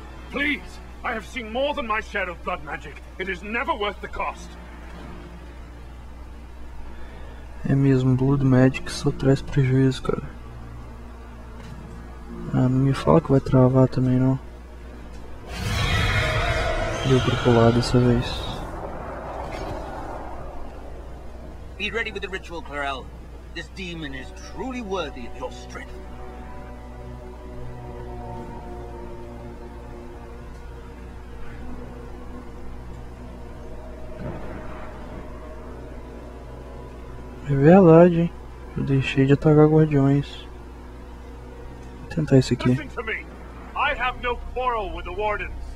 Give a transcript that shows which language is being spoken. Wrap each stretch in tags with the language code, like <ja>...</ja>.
<en>Please, I have seen more than my share of blood magic. It is never worth the cost.</en> <pt>É mesmo,</pt> <en>blood magic</en> <pt>só traz prejuízo, cara. Ah, não me fala que vai travar também, não. Deu pra pular dessa vez.</pt> <en>Be ready with the ritual, Clarel. This demon is truly worthy of your strength.</en> <pt>É verdade, hein? Eu deixei de atacar guardiões. Vou tentar isso aqui.</pt> <en>Listen to me. I have no quarrel with the Wardens.</en>